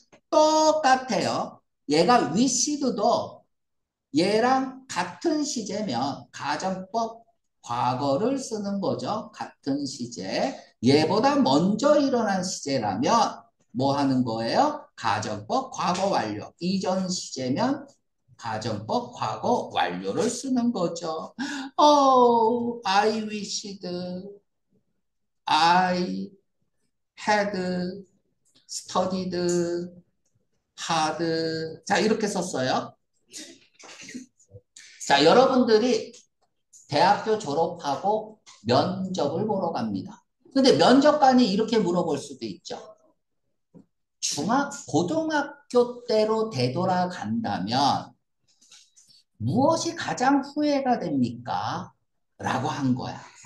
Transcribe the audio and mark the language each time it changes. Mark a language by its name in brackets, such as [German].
[Korean] 똑같아요. 얘가 wished도 얘랑 같은 시제면 가정법 과거를 쓰는 거죠. 같은 시제. 얘보다 먼저 일어난 시제라면 뭐 하는 거예요? 가정법 과거 완료. 이전 시제면 가정법 과거 완료를 쓰는 거죠. [English] Oh, I wished I had studied hard. [Korean] 자, 이렇게 썼어요. 자, 여러분들이 대학교 졸업하고 면접을 보러 갑니다. 근데 면접관이 이렇게 물어볼 수도 있죠. 고등학교 때로 되돌아간다면 무엇이 가장 후회가 됩니까? 라고 한 거야.